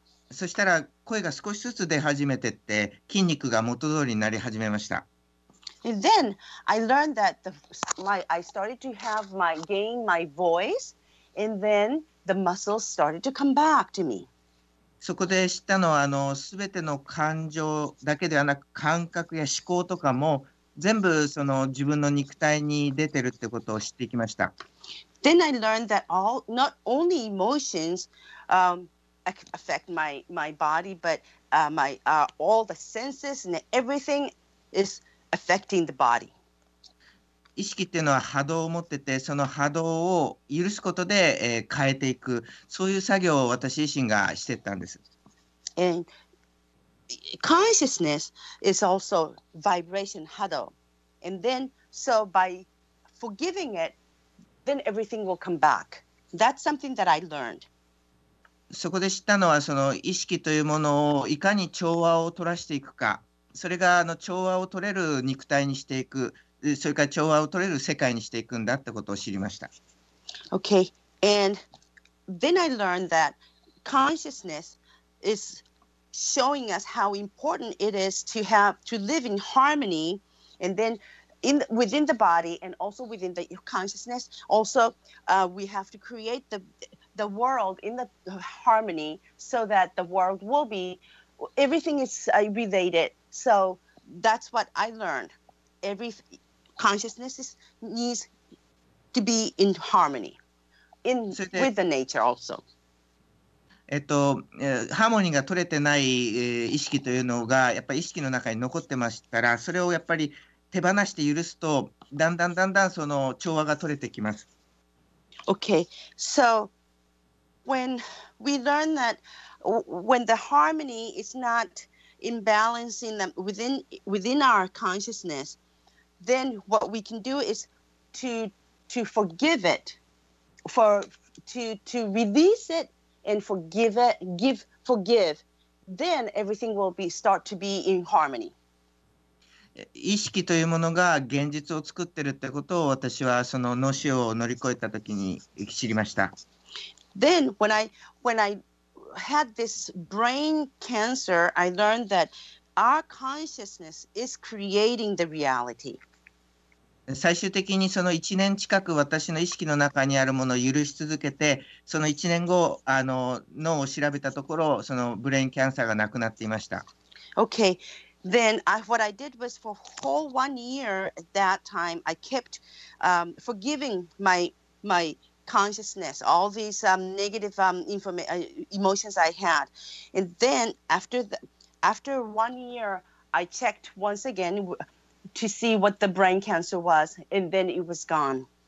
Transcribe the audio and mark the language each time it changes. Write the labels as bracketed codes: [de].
[ja] そしたら声が少しずつ出始めてって筋肉が元通りになり始めました。 [en] And then I learned that I started to have gain my voice, and then the muscles started to come back to me. [ja] そこで知ったのはあの全ての感情だけではなく感覚や思考とかも全部その自分の肉体に出てるってことを知っていきました。 [en] Then I learned that all not only emotions affect my body, but my all the senses and everything is affecting the body. [ja] 意識っていうのは波動を持ってて、その波動を許すことで、変えていく、そういう作業を私自身がしてたんです。 [en] And consciousness is also vibration 波動。 And then, so by forgiving it, then everything will come back. That's something that I learned. [ja] そこで知ったのは、その意識というものをいかに調和を取らしていくか、それがあの調和を取れる肉体にしていく、それから調和を取れる世界にしていくんだってことを知りました。 [en] Okay, and then I learned that consciousness is showing us how important it is to have to live in harmony, and then in within the body and also within the consciousness, also we have to create the world in the harmony so that the world will be everything is related. So that's what I learned. Every consciousness needs to be in harmony in with the nature also. [ja] ハーモニーが取れてない意識というのがやっぱり意識の中に残ってましたら、それをやっぱり手放して許すと、だんだんだんだんその調和が取れてきます。 [en] Okay, so. When we learn that when the harmony is not in balance in them within our consciousness, then what we can do is to forgive it, for to release it and forgive it, forgive, then everything will be start to be in harmony. [ja] 意識というものが現実を作ってるってことを私はその脳死を乗り越えた時に知りました。 [en] Then when I had this brain cancer, I learned that our consciousness is creating the reality. [ja] 最終的にその1年近く私の意識の中にあるものを許し続けて、その1年後あの脳を調べたところ、そのブレインキャンサーがなくなっていました。 [en] Okay, then what I did was for whole 1 year at that time, I kept forgiving my consciousness, all these negative emotions I had. And then after 1 year, I checked once again to see what the brain cancer was, and then it was gone.